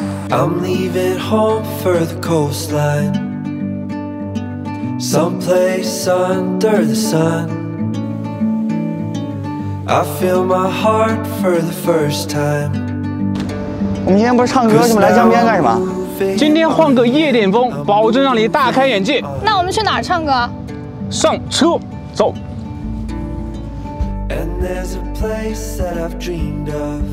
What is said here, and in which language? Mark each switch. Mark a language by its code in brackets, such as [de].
[en] I'm leaving home for the coastline, someplace under the sun. I feel my heart for the first time. [zh] 我们今天不是唱歌，你们来江边干什么？今天换个夜店风，保证让你大开眼界。那我们去哪儿唱歌？上车，走。 [en] And there's a place that I've dreamed of.